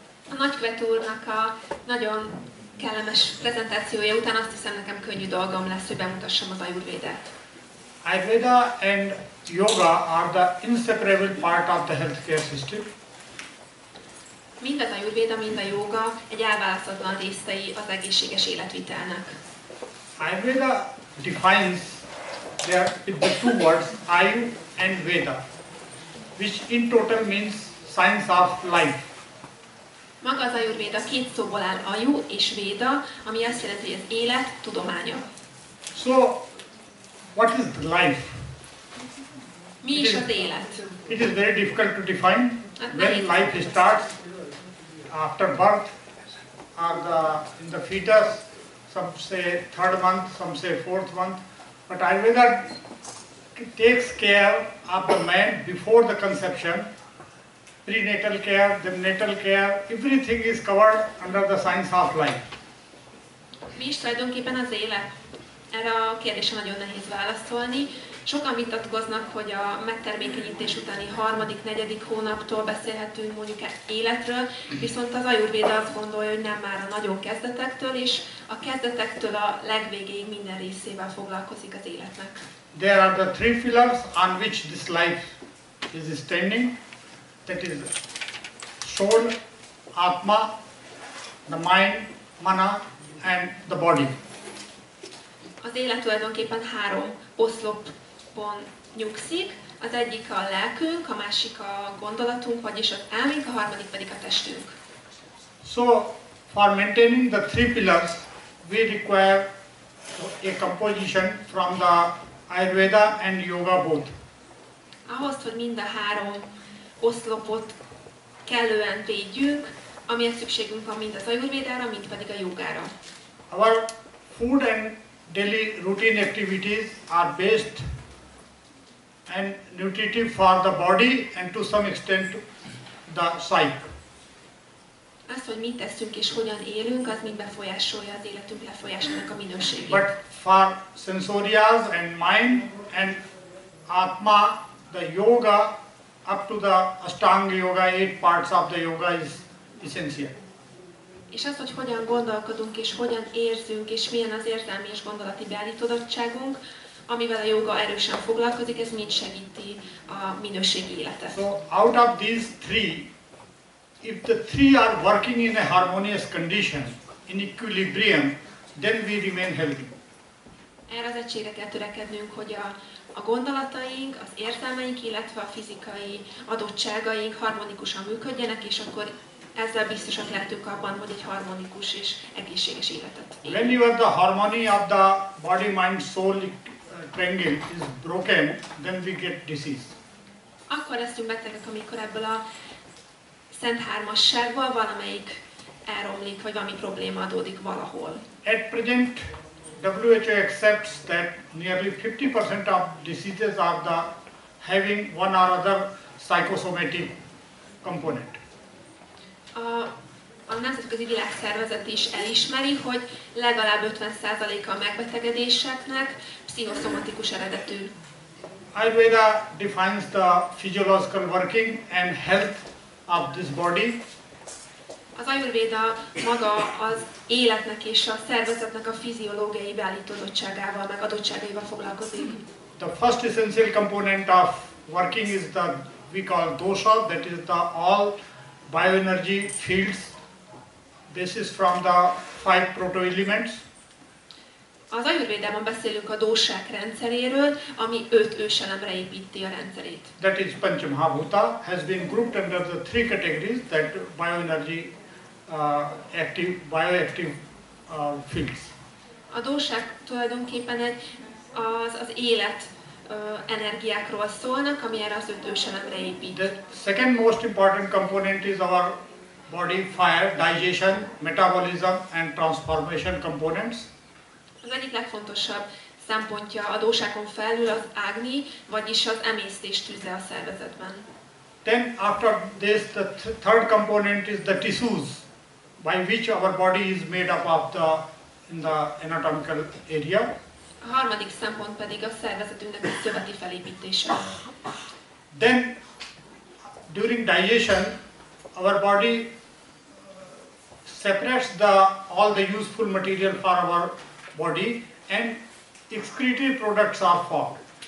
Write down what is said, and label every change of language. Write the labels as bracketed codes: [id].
[hu] A nagykövető úrnak a nagyon kellemes prezentációja után azt hiszem nekem könnyű dolgom lesz, hogy bemutassam az Ayurvédát. [en] Ayurveda and yoga are the inseparable part of the healthcare system. [hu] Mind az Ayurveda, mind a yoga egy elválaszthatatlan részei az egészséges életvitelnek. [en] Ayurveda defines there with the two words Ayu and Veda, which in total means science of life. [hu] Maga az Ayurveda két szóból áll, Ayu és Veda, ami azt jelenti, hogy az élet tudománya. [en] So, what is life? [hu] Mi is az élet? [en] It is very difficult to define when life starts, after birth, or the, in the fetus, some say third month, some say fourth month. But Ayurveda takes care of the man before the conception, prenatal care, neonatal care, everything is covered under the science of life. [hu] Mi is tulajdonképpen az élet? Erre a kérdésre nagyon nehéz válaszolni. Sokan vitatkoznak, hogy a megtermékenyítés utáni harmadik, negyedik hónaptól beszélhetünk mondjuk életről, viszont az Ayurveda azt gondolja, hogy nem már a nagyon kezdetektől, és a kezdetektől a legvégéig minden részével foglalkozik az életnek. [en] There are the three pillars on which this life is standing. That is soul, atma, the mind, mana, and the body. [hu] Az élet tulajdonképpen három oszlopon nyugszik. Az egyik a lelkünk, a másik a gondolatunk, vagyis az elménk, a harmadik pedig a testünk. [en] So, for maintaining the three pillars, we require a composition from the Ayurveda and Yoga both. [hu] Ahhoz, hogy mind a három oszlopot kellően védjük, amilyen szükségünk van mind az Ayurvédára, mind pedig a jogára. [en] Our food and daily routine activities are based and nutritive for the body and to some extent the psyche. [hu] Azt, hogy mit teszünk és hogyan élünk, az mind befolyásolja az életünk lefolyásának a minőségét. [en] But for sensorials and mind and atma, the yoga up to the Ashtanga yoga, eight parts of the yoga is essential. [hu] És az, hogy hogyan gondolkodunk és hogyan érzünk és milyen az érzelmi és gondolati beállítottságunk, amivel a jóga erősen foglalkozik, ez mind segíti a minőségi életet. [en] So out of these three, if the three are working in a harmonious condition, in equilibrium, then we remain healthy. [hu] Erre az egységre kell törekednünk, hogy a gondolataink, az érzelmeink, illetve a fizikai adottságaink harmonikusan működjenek, és akkor ezzel biztosak lehetünk abban, hogy egy harmonikus és egészséges életet élünk. [en] When you have the harmony of the body, mind, soul triangle is broken, then we get disease. [hu] Akkor leszünk betegek, amikor ebből a szent hármassággal valamelyik elromlik, vagy valami probléma adódik valahol. [en] At present, WHO accepts that nearly 50% of diseases are the having one or other psychosomatic component. [hu] A Nemzetközi Világszervezet is elismeri, hogy legalább 50%-a a megbetegedéseknek pszichoszomatikus eredetű. [en] Ayurveda defines the physiological working and health of this body. [hu] Az Ayurveda maga az életnek és a szervezetnek a fiziológiai beállítottságával, meg adottságaival foglalkozik. [en] The first essential component of working is the we call dosha, that is the all bioenergy fields. This is from the five proto elements. [hu] Az Ayurvédában beszélünk a dósák rendszeréről, ami öt őselemre építi a rendszerét. [en] That is Pancha Mahabhuta has been grouped under the three categories that bioenergy active, bioactive fields. [hu] A dósák tulajdonképpen egy az élet energiákról szólnak, ami erre az öt őselemre épít. [en] The second most important component is our body fire, digestion, metabolism and transformation components. [hu] Az egyik legfontosabb szempontja a dósákon felül az ágni, vagyis az emésztés tüze a szervezetben. [en] Then after this, the third component is the tissues, by which our body is made up of the in the anatomical area. [hu] A harmadik szempont pedig a szervezetünknek a szöveti felépítése. [en] Then, during digestion, our body separates all the useful material for our body and excretory products are formed.